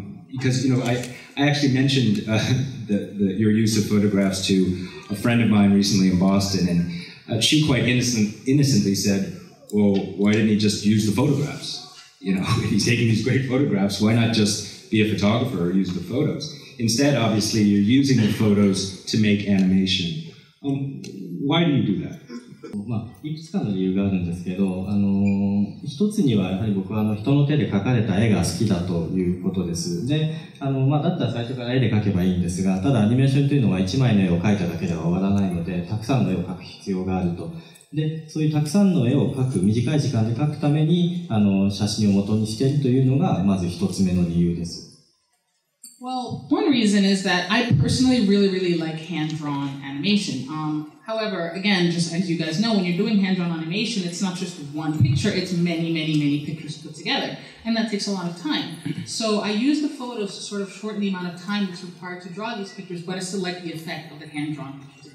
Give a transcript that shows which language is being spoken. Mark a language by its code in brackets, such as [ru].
[en] Because, I actually mentioned your use of photographs to a friend of mine recently in Boston, and she quite innocently said, well, why didn't he just use the photographs? If he's taking these great photographs, why not just be a photographer or use the photos? Instead, obviously, you're using the photos to make animation. Why do you do that? [ja] まあ、いくつかの理由があるんですけど、一つにはやはり僕は人の手で描かれた絵が好きだということです。で、まあ、だったら最初から絵で描けばいいんですが、ただアニメーションというのは一枚の絵を描いただけでは終わらないので、たくさんの絵を描く必要があると。で、そういうたくさんの絵を描く、短い時間で描くために、写真を元にしているというのが、まず一つ目の理由です。 [en] Well, one reason is that I personally really, really like hand-drawn animation. However, again, just as you guys know, when you're doing hand-drawn animation, it's not just one picture, it's many, many, many pictures put together. And that takes a lot of time. So I use the photos to sort of shorten the amount of time that's required to draw these pictures, but it's to like the effect of the hand-drawn pictures.